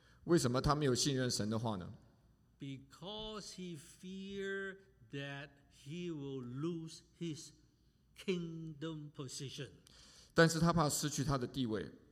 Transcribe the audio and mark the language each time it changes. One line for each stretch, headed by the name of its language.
Chinese: 为什么他没有信任神的话呢？
English: Because he feared that he will lose his kingdom position.
Chinese: 但是他怕失去他的地位。